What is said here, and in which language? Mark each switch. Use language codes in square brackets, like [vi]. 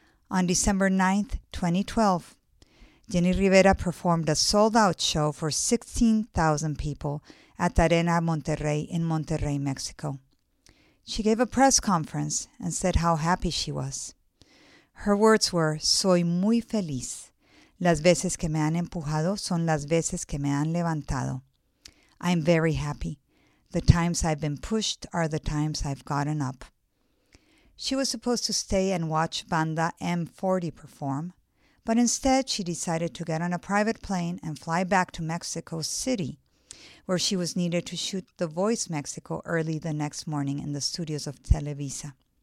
[en] On December 9th, 2012, Jenni Rivera performed a sold-out show for 16,000 people at the Arena Monterrey in Monterrey, Mexico. She gave a press conference and said how happy she was. Her words were, [es] "Soy muy feliz. Las veces que me han empujado son las veces que me han levantado. [en] I'm very happy. The times I've been pushed are the times I've gotten up." She was supposed to stay and watch Banda M40 perform, but instead she decided to get on a private plane and fly back to Mexico City, where she was needed to shoot The Voice Mexico early the next morning in the studios of Televisa.